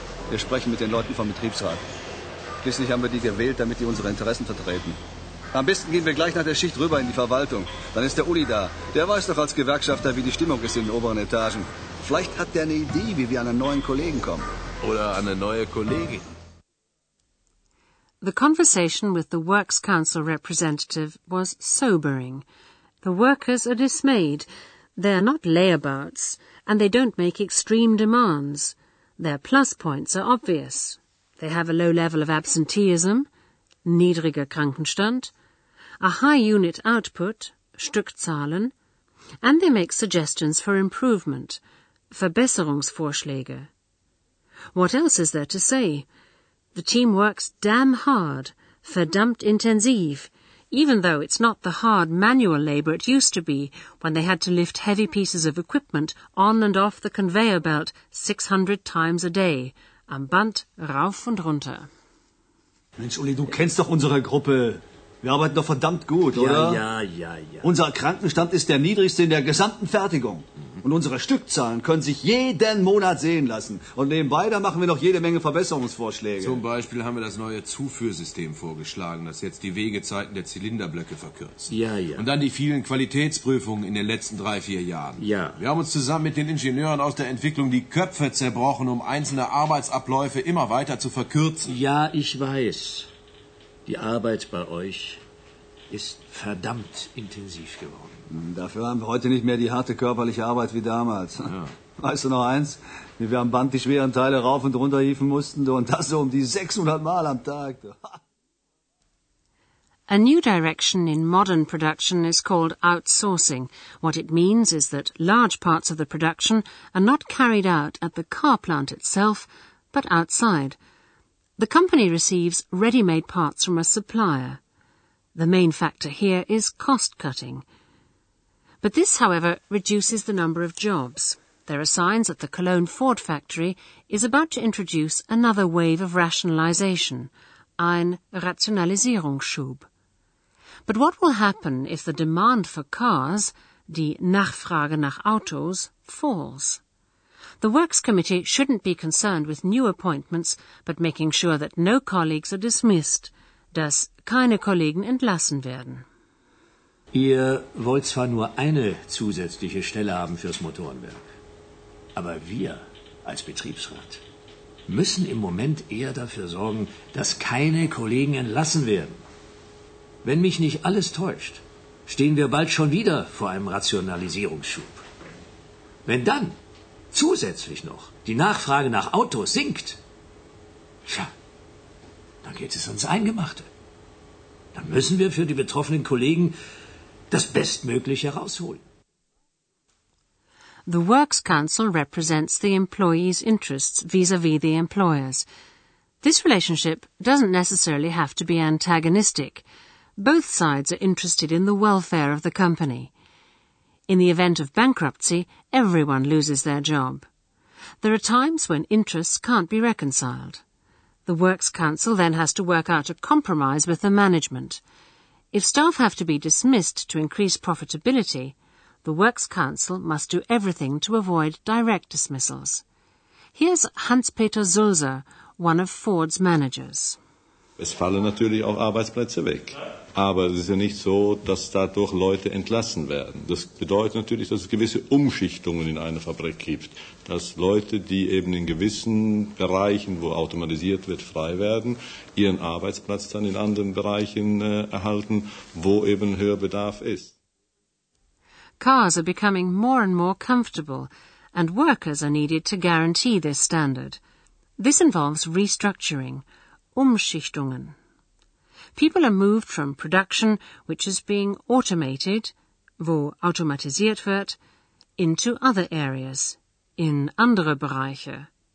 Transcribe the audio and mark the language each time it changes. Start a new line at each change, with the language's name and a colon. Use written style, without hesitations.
German: Wir sprechen mit den Leuten vom Betriebsrat. Schließlich haben wir die gewählt, damit die unsere Interessen vertreten. Am besten gehen wir gleich nach der Schicht rüber in die Verwaltung. Dann ist der Uli da. Der weiß doch als Gewerkschafter, wie die Stimmung ist in den oberen Etagen. Vielleicht hat der eine Idee, wie wir an einen neuen Kollegen kommen. Oder an eine neue Kollegin.
English: The conversation with the Works Council representative was sobering. The workers are dismayed. They're not layabouts, and they don't make extreme demands. Their plus points are obvious. They have a low level of absenteeism,
German: niedriger Krankenstand,
English: a high unit output, Stückzahlen, and they make suggestions for improvement, Verbesserungsvorschläge. What else is there to say? The team works damn hard,
German: verdammt intensiv,
English: even though it's not the hard manual labor it used to be when they had to lift heavy pieces of equipment on and off the conveyor belt 600 times a day,
German: am Band rauf und runter. Mensch, Uli, du kennst doch unsere Gruppe. Wir arbeiten doch verdammt gut, ja, oder? Ja, ja, ja. Unser Krankenstand ist der niedrigste in der gesamten Fertigung. Und unsere Stückzahlen können sich jeden Monat sehen lassen. Und nebenbei, da machen wir noch jede Menge Verbesserungsvorschläge. Zum Beispiel haben wir das neue Zuführsystem vorgeschlagen, das jetzt die Wegezeiten der Zylinderblöcke verkürzt. Ja, ja. Und dann die vielen Qualitätsprüfungen in den letzten 3-4 Jahren. Ja. Wir haben uns zusammen mit den Ingenieuren aus der Entwicklung die Köpfe zerbrochen, um einzelne Arbeitsabläufe immer weiter zu verkürzen. Ja, ich weiß. Die Arbeit bei euch ist verdammt intensiv geworden. Dafür haben wir heute nicht mehr die harte körperliche Arbeit wie damals. Ja. Weißt du noch eins? Wie wir am Band die schweren Teile rauf und runter hieven mussten, und das so um die 600 Mal am Tag.
English: A new direction in modern production is called outsourcing. What it means is that large parts of the production are not carried out at the car plant itself, but outside. The company receives ready-made parts from a supplier. The main factor here is cost-cutting. But this, however, reduces the number of jobs. There are signs that the Cologne Ford factory is about to introduce another wave of rationalization,
German: ein Rationalisierungsschub.
English: But what will happen if the demand for cars,
German: die Nachfrage nach Autos,
English: falls? The Works Committee shouldn't be concerned with new appointments, but making sure that no colleagues are dismissed,
German: dass keine Kollegen entlassen werden. Ihr wollt zwar nur eine zusätzliche Stelle haben fürs Motorenwerk, aber wir als Betriebsrat müssen im Moment eher dafür sorgen, dass keine Kollegen entlassen werden. Wenn mich nicht alles täuscht, stehen wir bald schon wieder vor einem Rationalisierungsschub. Wenn dann zusätzlich noch die Nachfrage nach Autos sinkt, tja, dann geht es ans Eingemachte. Dann müssen wir für die betroffenen Kollegen das Bestmögliche rausholen.
English: The Works Council represents the employees' interests vis-à-vis the employers. This relationship doesn't necessarily have to be antagonistic. Both sides are interested in the welfare of the company. In the event of bankruptcy, everyone loses their job. There are times when interests can't be reconciled. The Works Council then has to work out a compromise with the management. If staff have to be dismissed to increase profitability, the Works Council must do everything to avoid direct dismissals. Here's Hans-Peter Sulzer, one of Ford's managers.
German: Es fallen natürlich auch Arbeitsplätze weg. Aber es ist ja nicht so, dass dadurch Leute entlassen werden. Das bedeutet natürlich, dass es gewisse Umschichtungen in einer Fabrik gibt. Dass Leute, die eben in gewissen Bereichen, wo automatisiert wird, frei werden, ihren Arbeitsplatz dann in anderen Bereichen erhalten, wo eben höher Bedarf ist.
English: Cars are becoming more and more comfortable and workers are needed to guarantee this standard. This involves restructuring, Umschichtungen. People are moved from production, which is being automated,
German: wo automatisiert wird,
English: into other areas,
German: in andere Bereiche.